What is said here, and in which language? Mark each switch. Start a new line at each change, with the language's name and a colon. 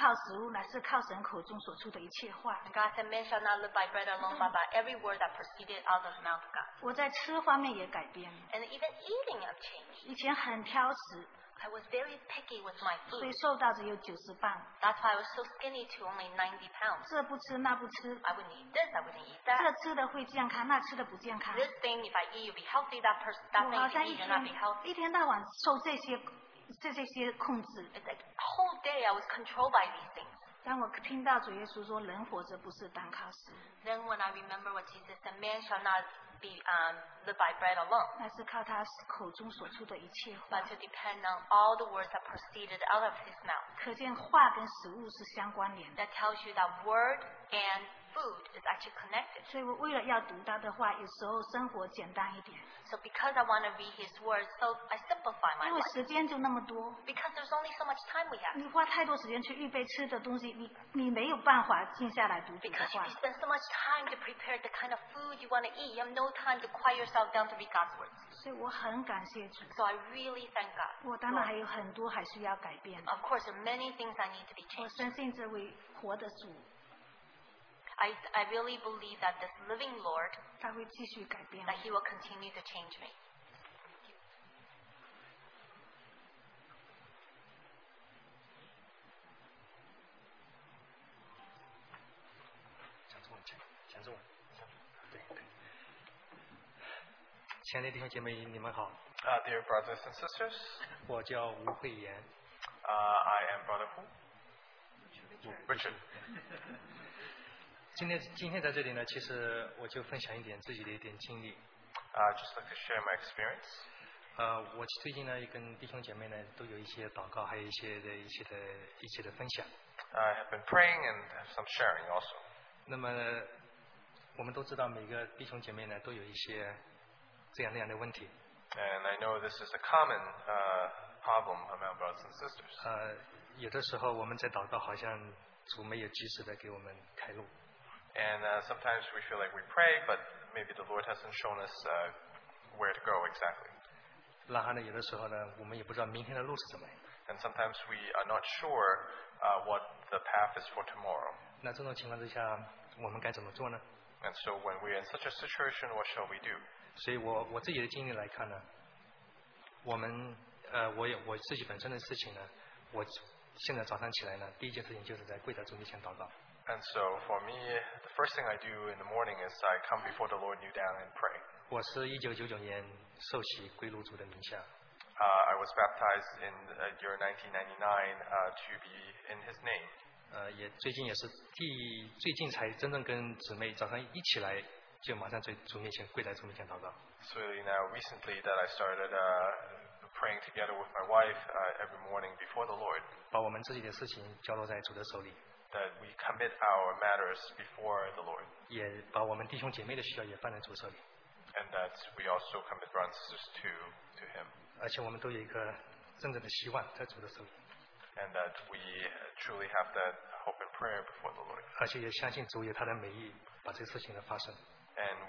Chinese: 主说，不能活着不是单靠食物，乃是靠神口中所出的一切话。
English: God said, "Man shall not live by bread alone, but by every word that proceeded out of the mouth of God."
Chinese: 我在吃方面也改变了。
English: And even eating, I've changed.
Chinese: 以前很挑食。
English: I was very picky with my food.
Chinese: 所以瘦到只有90磅。
English: That's why I was so skinny to only 90 pounds.
Chinese: 这不吃那不吃。
English: I wouldn't eat this, I wouldn't eat that.
Chinese: 这吃的会健康，那吃的不健康。
English: This thing, if I eat, you'll be healthy. That person, that thing, you'll not be healthy.
Chinese: 一天到晚受这些。
English: It's like the whole day I was controlled by these things.
Chinese: 当我听到主耶稣说，人活着不是单靠食。
English: Then when I remember what Jesus said, man shall not be live by bread alone.
Chinese: 那是靠他口中所出的一切话。
English: But to depend on all the words that proceeded out of his mouth.
Chinese: 可见话跟食物是相关联的。
English: That tells you that word and food is actually connected.
Chinese: 所以我为了要读他的话，有时候生活简单一点。
English: So because I want to read his words, so I simplify my life.
Chinese: 因为时间就那么多。
English: Because there's only so much time we have.
Chinese: 你花太多时间去预备吃的东西，你没有办法静下来读。
English: Because you spend so much time to prepare the kind of food you want to eat, you have no time to quiet yourself down to read God's words.
Chinese: 所以我很感谢主。
English: So I really thank God.
Chinese: 我当然还有很多还需要改变。
English: Of course, there are many things I need to be changed.
Chinese: 我深信这位活的主。
English: I really believe that this living Lord,
Chinese: 他会继续改变,
English: that He will continue to change me.
Chinese: 讲中文，对，亲爱的弟兄姐妹，你们好。
English: Dear brothers and sisters,
Chinese: 我叫吴慧言。
English: I am Brother Hu. Richard.
Chinese: 今天在这里呢，其实我就分享一点自己的一点经历。
English: Just like to share my experience.
Chinese: 我最近呢，也跟弟兄姐妹呢，都有一些祷告，还有一些的分享。
English: I have been praying and have some sharing also.
Chinese: 那么，我们都知道每个弟兄姐妹呢，都有一些这样那样的问题。
English: And I know this is a common problem among brothers and sisters.
Chinese: 有的时候我们在祷告，好像主没有及时的给我们开路。
English: And sometimes we feel like we pray, but maybe the Lord hasn't shown us where to go exactly.
Chinese: 然后呢，有的时候呢，我们也不知道明天的路是怎么样。
English: And sometimes we are not sure what the path is for tomorrow.
Chinese: 那这种情况之下，我们该怎么做呢？
English: And so when we are in such a situation, what shall we do?
Chinese: 所以我自己的经历来看呢，我自己本身的事情呢，我现在早上起来呢，第一件事情就是在跪在主面前祷告。
English: And so for me, the first thing I do in the morning is I come before the Lord, kneel down and pray.
Chinese: 我是1999年受洗归入主的名下。
English: I was baptized in the year 1999 to be in His name.
Chinese: 也最近也是最近才真正跟姊妹早上一起来就马上在主面前跪在主面前祷告。
English: So now recently that I started praying together with my wife every morning before the Lord.
Chinese: 把我们自己的事情交托在主的手里。
English: That we commit our matters before the Lord.
Chinese: 也把我们弟兄姐妹的需要也放在主手里。
English: And that we also commit brothers and sisters to Him.
Chinese: 而且我们都有一个真正的希望在主的手里。
English: And that we truly have that hope and prayer before the Lord.
Chinese: 而且也相信主有他的美意把这个事情的发生。
English: And